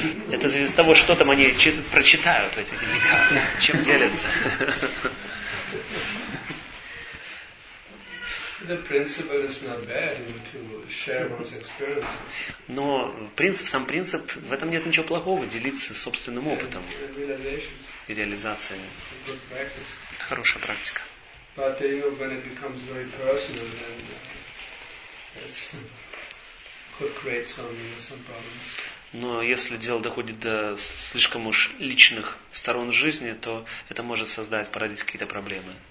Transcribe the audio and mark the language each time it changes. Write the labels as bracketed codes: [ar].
[ru] Это зависит от того, что там они прочитают в этих книгах, чем делятся. [en] The principle is not bad to share one's experience. [ru] Но сам принцип в этом нет ничего плохого, делиться собственным опытом и реализациями. Это хорошая практика. [en] But you know, when it becomes very personal, then could create some problems. [ru] Но если дело доходит до слишком уж личных сторон жизни, то это может породить какие-то проблемы.